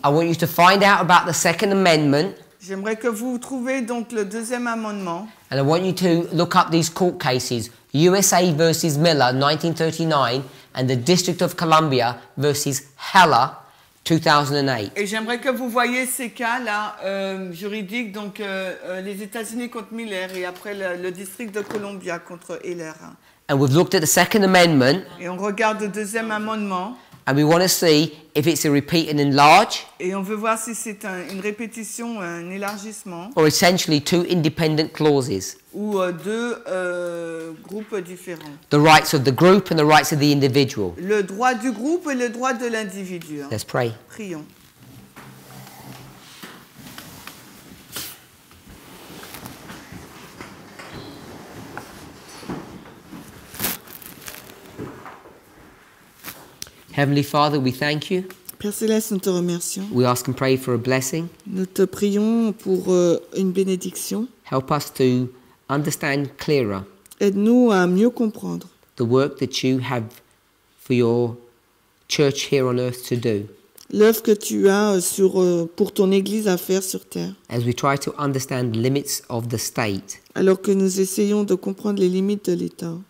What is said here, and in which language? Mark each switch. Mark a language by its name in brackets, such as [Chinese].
[English] I want you to find out about the Second Amendment. [French] J'aimerais que vous trouviez donc le deuxième amendement. [English] And I want you to look up these court cases. USA versus Miller, 1939, and the District of Columbia versus Heller. 2008. [French] Et j'aimerais que vous voyez ces cas-là juridiques, donc les États-Unis contre Miller et après le District de Columbia contre Heller. [English] And we've looked at the Second Amendment. [French] Et on regarde le deuxième amendement. [English] And we want to see if it's a repeat and enlarge. [French] Et on veut voir si c'est une répétition, un élargissement. [English] Or essentially two independent clauses. [French] Ou deux groupes différents. [English] The rights of the group and the rights of the individual. [French] Le droit du groupe et le droit de l'individu. [English] Let's pray. [French] Prions. [English] Heavenly Father, we thank you. [French] Père Céleste, nous te remercions. [English] We ask and pray for a blessing. [French] Nous te prions pour une bénédiction. [English] Help us to understand clearer. [French] Aide-nous à mieux comprendre. [English] The work that you have for your church here on earth to do. [French] L'œuvre que tu as sur pour ton église à faire sur terre. [English] As we try to understand the limits of the state. [French] Alors que nous essayons de comprendre les limites de l'État.